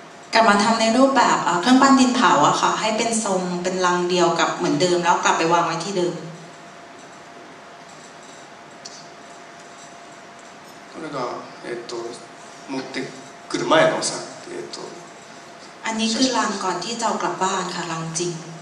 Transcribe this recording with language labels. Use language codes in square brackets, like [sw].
[th] กลับมาทำในรูปแบบเครื่องปั้นดินเผาอะค่ะให้เป็นทรงเป็นลังเดียวกับเหมือนเดิมแล้วกลับไปวางไว้ที่เดิม [ja] これが持ってくる前のさ [th] อันนี้คือลังก่อนที่จะกลับบ้านค่ะลังจริง